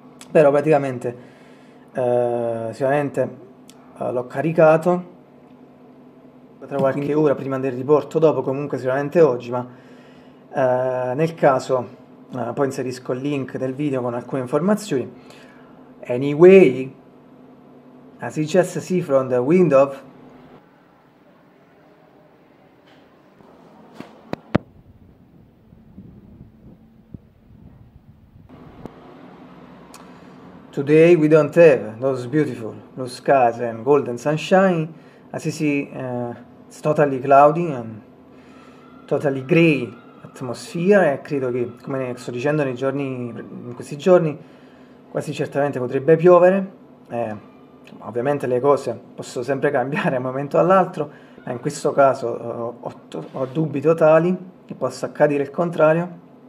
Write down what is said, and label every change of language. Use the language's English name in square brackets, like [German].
[Italian] Però praticamente sicuramente l'ho caricato tra qualche ora prima del riporto, dopo comunque sicuramente oggi, ma nel caso poi inserisco il link del video con alcune informazioni. [English] Anyway, as you just see from the window, today we don't have those beautiful blue skies and golden sunshine. As you see, it's totally cloudy and totally grey atmosfera. [Italian] E credo che, come ne sto dicendo nei giorni, in questi giorni, quasi certamente potrebbe piovere. Ovviamente le cose possono sempre cambiare da un momento all'altro, ma in questo caso ho dubbi totali che possa accadere il contrario.